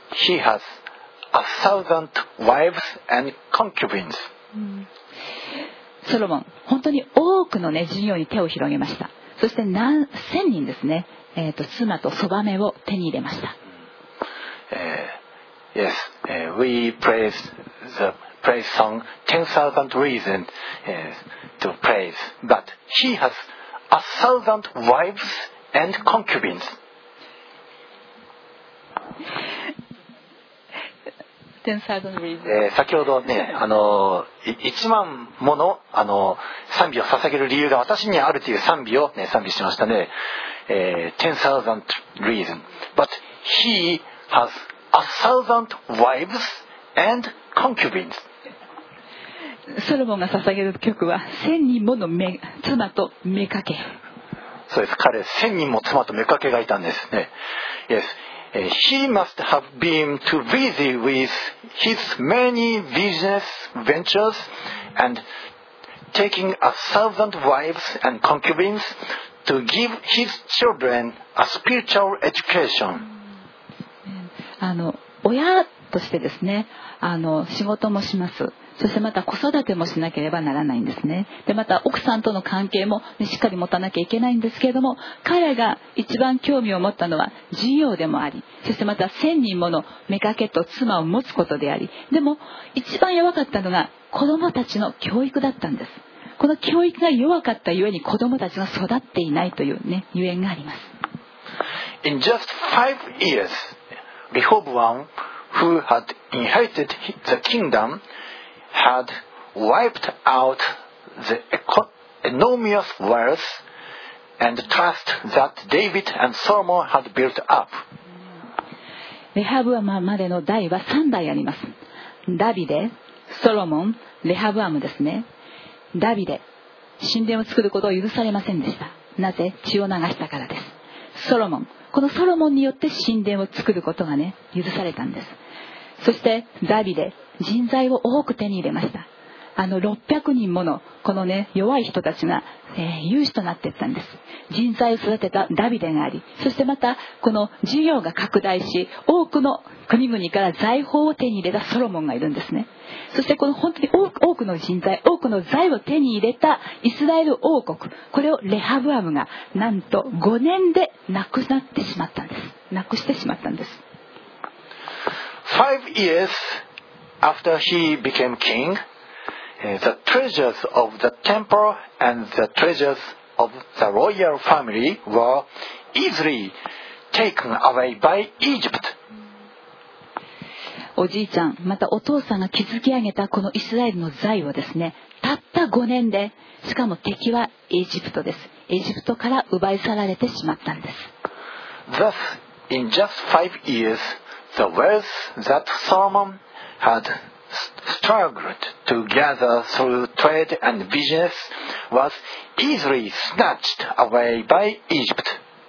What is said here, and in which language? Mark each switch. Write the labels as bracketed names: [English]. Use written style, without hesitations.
[English] Yes, he has a thousand wives and concubines. [Japanese] ソロモン、本当に多くの、ね、事業に手を広げました。そして何千人ですね、妻とそばめを手に入れました。 [English] Yes, we praise song 10,000 reasons to praise, but he has a thousand wives and concubines. [Japanese] 先ほどね、1万もの、賛美を捧げる理由が私にあるという賛美を、ね、賛美しましたね。 [English] 10,000 reason. But he has a thousand wives and concubines. [Japanese] ソロモンが捧げる曲は千人もの妻と妾。そうです。彼、千人も妻と妾がいたんですね。Yes. [English] He must have been too busy with his many business ventures and taking a thousand wives and concubines to give his children a spiritual education. [Japanese] あの親としてですね、あの仕事もします、そしてまた子育てもしなければならないんですね。でまた奥さんとの関係もしっかり持たなきゃいけないんですけれども、彼が一番興味を持ったのは事業でもあり、そしてまた千人もの妾と妻を持つことであり、でも一番弱かったのが子供たちの教育だったんです。この教育が弱かったゆえに子供たちが育っていないというね、ゆえんがあります。 [English] In just five years, Rehoboam, who had inherited the kingdom,had wiped out the enormous wealth and trust that David and Solomon had built up. [Japanese] レハブアムまでの代は3代あります。ダビデ、ソロモン、レハブアムですね。ダビデ、神殿を作ることを許されませんでした。なぜ？血を流したからです。ソロモン、このソロモンによって神殿を作ることがね、許されたんです。そしてダビデ、人材を多く手に入れました。あの600人ものこのね、弱い人たちが、有志となっていったんです。人材を育てたダビデがあり、そしてまたこの事業が拡大し、多くの国々から財宝を手に入れたソロモンがいるんですね。そしてこの本当に多くの人材、多くの財を手に入れたイスラエル王国、これをレハブアムがなんと5年でなくなってしまったんです。なくしてしまったんです。 [English] 5 yearsAfter he became king, the treasures of the temple and the treasures of the royal family were easily taken away by Egypt. [Japanese] おじいちゃん、またお父さんが築き上げたこのイスラエルの財をですね、たった5年で、しかも敵はエジプトです。エジプトから奪い去られてしまったんです。 [English] Thus, in just 5 years, the wealth that Solomon had struggled to gather through trade and business was easily snatched away by Egypt.